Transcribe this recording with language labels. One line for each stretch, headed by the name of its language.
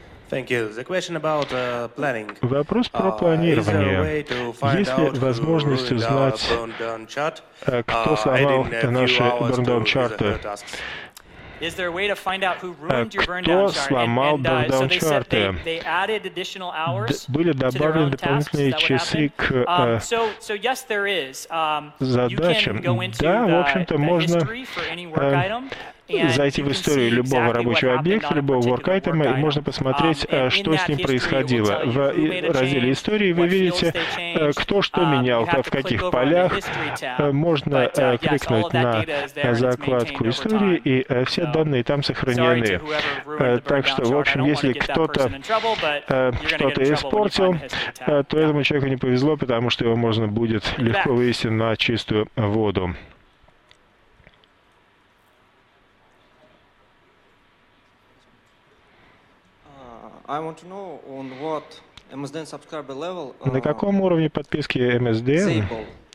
English: Thank you. The question about planning.
Russian: Вопрос про планирование. Есть ли возможность узнать, кто сломал наши burn-down чарты?
English: Is there a way to find out who ruined your burn-down chart? And so they said they added additional hours to their own tasks. That would happen. So yes, there is. You can go into the history for any work item.
Russian: Зайти в историю любого рабочего объекта, любого work-айтема, и можно посмотреть, что с ним происходило. В разделе истории вы видите, кто что менял, в каких полях. Можно кликнуть на закладку истории, и все данные там сохранены. Так что, в общем, если кто-то что-то испортил, то этому человеку не повезло, потому что его можно будет легко вывести на чистую воду.
English: I want to know on what MSDN subscriber level.
Russian: На каком уровне подписки MSDN?